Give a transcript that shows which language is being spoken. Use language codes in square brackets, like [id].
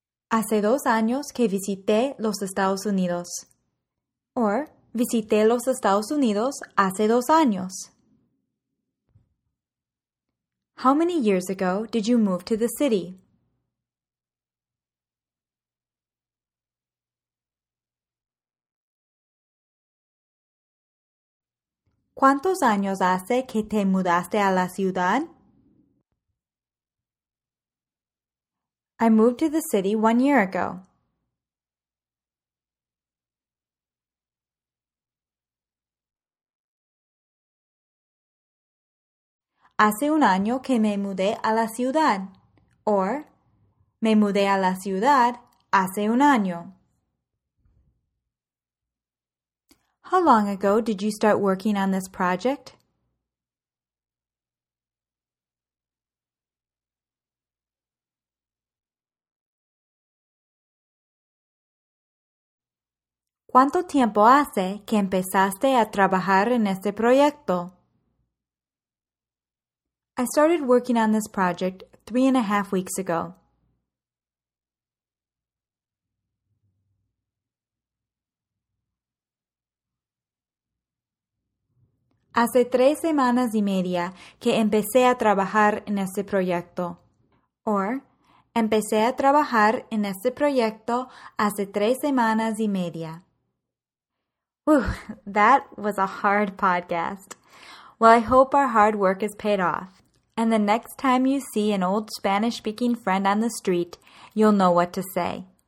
[es] Hace dos años que visité los Estados Unidos. Or, visité los Estados Unidos hace dos años. [en] How many years ago did you move to the city? [es] ¿Cuántos años hace que te mudaste a la ciudad? [en] I moved to the city 1 year ago. [es] Hace un año que me mudé a la ciudad. Or, me mudé a la ciudad hace un año. [en] How long ago did you start working on this project? [es] ¿Cuánto tiempo hace que empezaste a trabajar en este proyecto? [en] I started working on this project 3.5 weeks ago. [es] Hace 3 semanas y media que empecé a trabajar en este proyecto. Or, empecé a trabajar en este proyecto hace 3 semanas y media. [en] Whew, that was a hard podcast. Well, I hope our hard work has paid off. And the next time you see an old Spanish-speaking friend on the street, you'll know what to say.